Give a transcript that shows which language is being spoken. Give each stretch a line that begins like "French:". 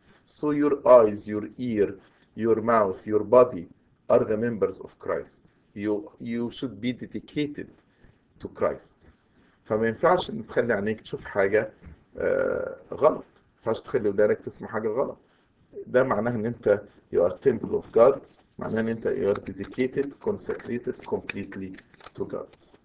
English: So your eyes, your ear, your mouth, your body are the members of Christ. You should be dedicated to Christ.
Arabic: فما ينفعش ان تخلي عينيك تشوف حاجة غلط. فاش تخلي ودانك تسمع حاجة غلط. ده معناه ان انت
English: you are temple of God.
Arabic: معناه ان انت
English: you are dedicated, consecrated completely to God.